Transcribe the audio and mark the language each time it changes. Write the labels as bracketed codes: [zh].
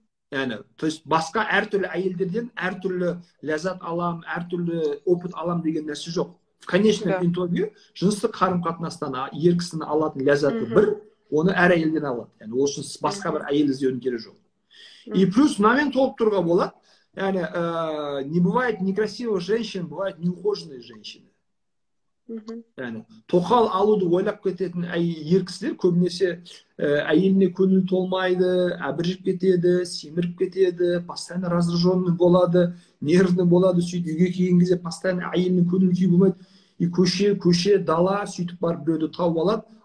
[kk] Яғни, то есть басқа әртүрлі әйелдерден әртүрлі ләззат алам, әртүрлі опыт алам деген нәрсе жоқ. [ru] В конечном итоге [kk] жыныстық қарым-қатынастан ер кісінің алатын ләззаты бір, оны әр әйелден алады. Яғни, осы басқа бір әйел іздеудің керек жоқ. [ru] И плюс [kk] мынамен толып тұруға болады. [ru] Яғни, не бывает некрасивых женщин, бывают неухоженные женщины. [kk] Яғни, тоқал алуды ойлап кететін ер кісілер көбінесе әйеліне көңілі толмайды, әбіржіп кетеді, семіріп кетеді, [ru] постоянно раздраженный [kk] болады, нервный болады, сөйтіп үйге келген кезде постоянно әйелінің көңіл күйі болмайды. И көше, дала, сөйтіп барып біреуді тауып алады.